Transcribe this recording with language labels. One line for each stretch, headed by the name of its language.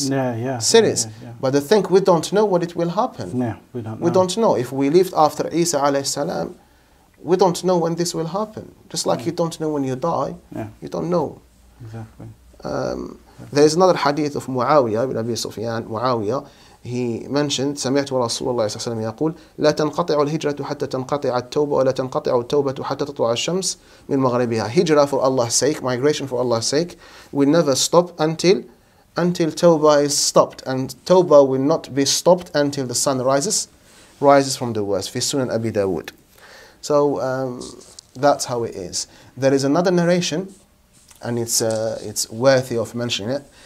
English: Yeah, serious. But the thing, we don't know what it will happen. Yeah, we don't know. We don't know. If we lived after Isa alayhi salam, we don't know when this will happen. Just like you don't know when you die. Yeah. You don't know. Exactly. There is another hadith of Muawiyah ibn Abi Sufyan.
Arabic: Muawiyah,
English: he mentioned,
Arabic: سمعت رسول الله صلى الله عليه وسلم يقول لا تنقطع الهجرة حتى تنقطع التوبة ولا تنقطع التوبة حتى تطلع الشمس من مغربها.
English: Hijra for Allah's sake, migration for Allah's sake, will never stop until tawbah is stopped, and tawbah will not be stopped until the sun rises from the west.
Arabic: في سنن أبي داود.
English: So that's how it is. There is another narration, and it's worthy of mentioning it.